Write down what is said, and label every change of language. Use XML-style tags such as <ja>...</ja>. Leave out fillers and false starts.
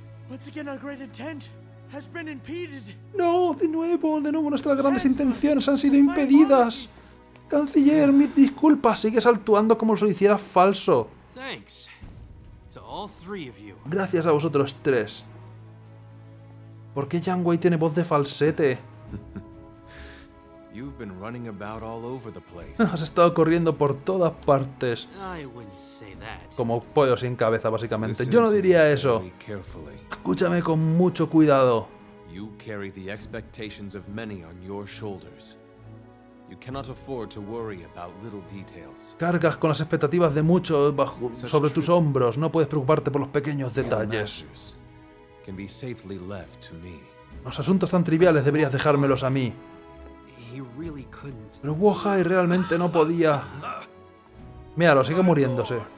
<en>Once again our great intent has been impeded.</en> <es>No, de nuevo nuestras grandes intenciones han sido impedidas. Canciller, mis disculpas, sigues actuando como si lo hicieras falso.</es> <en>Thanks to all three of you.</en> <es>Gracias a vosotros tres. ¿Por qué Yang Wei tiene voz de falsete?</es> <en>You've been running about all over the place.</en> <es>Has estado corriendo por todas partes. Como pollo sin cabeza, básicamente. Yo no diría eso. Escúchame con mucho cuidado.</es> <en>You carry the expectations of many on your shoulders. You cannot afford to worry about little details.</en> <es>Cargas con las expectativas de muchos bajo sobre tus hombros. No puedes preocuparte por los pequeños detalles.</es> <en>Can be safely left to me.</en> <es>Los asuntos tan triviales deberías dejármelos a mí. Pero Wohai realmente no podía. Míralo, sigue muriéndose.</es>